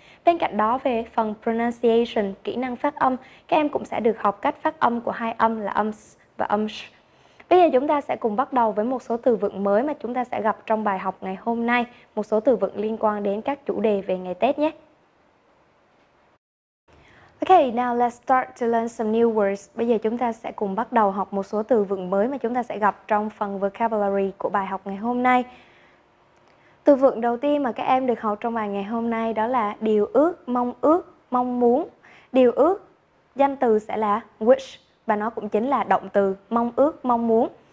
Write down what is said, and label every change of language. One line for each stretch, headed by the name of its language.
Vietnamese: Bên cạnh đó, về phần pronunciation, kỹ năng phát âm, các em cũng sẽ được học cách phát âm của hai âm là âm s và âm sh. Bây giờ chúng ta sẽ cùng bắt đầu với một số từ vựng mới mà chúng ta sẽ gặp trong bài học ngày hôm nay, một số từ vựng liên quan đến các chủ đề về ngày Tết nhé.
English: Okay, now let's start to learn some new words.
Vietnamese: Bây giờ chúng ta sẽ cùng bắt đầu học một số từ vựng mới mà chúng ta sẽ gặp trong phần vocabulary của bài học ngày hôm nay. Từ vựng đầu tiên mà các em được học trong bài ngày hôm nay đó là điều ước, mong muốn. Điều ước, danh từ sẽ là wish và nó cũng chính là động từ mong ước, mong muốn.